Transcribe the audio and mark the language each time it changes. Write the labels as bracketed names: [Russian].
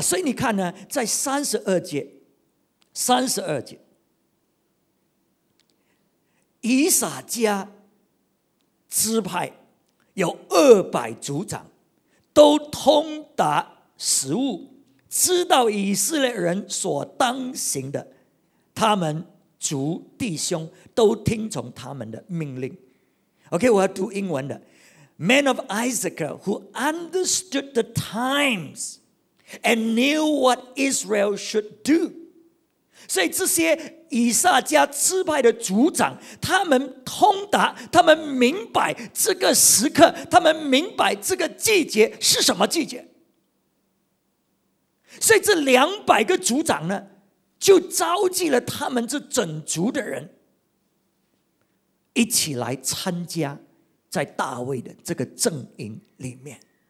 [Chinese] 所以你看呢，在32节以撒家支派有200族长，都通达食物，知道以色列人所当行的，他们族弟兄都听从他们的命令。 Okay, 我要读英文的。 [English] Men of Issachar who understood the times and knew what Israel should do. [Chinese] 所以这些以撒家支派的族长，他们通达，他们明白这个时刻，他们明白这个季节是什么季节。所以这200个族长呢，就召集了他们这整族的人一起来参加在大卫的这个阵营里面。